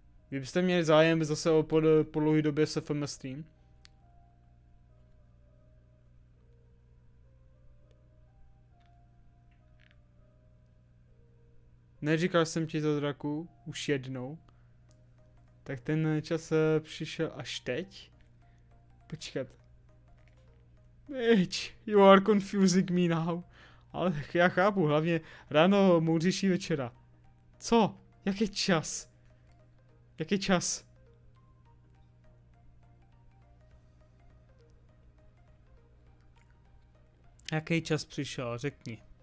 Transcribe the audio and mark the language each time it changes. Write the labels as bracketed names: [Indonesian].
[Czech] Vy byste měli zájem zase o po dlouhý době s FM stream. Neříkal jsem ti to, Draku, už jednou. Tak ten čas přišel až teď. Počkat. [English] Bitch, you are confusing me now. [Czech] Ale já chápu, hlavně ráno, moudřejší večera. Co? Jaký čas? Jaký čas? Jaký čas přišel, řekni.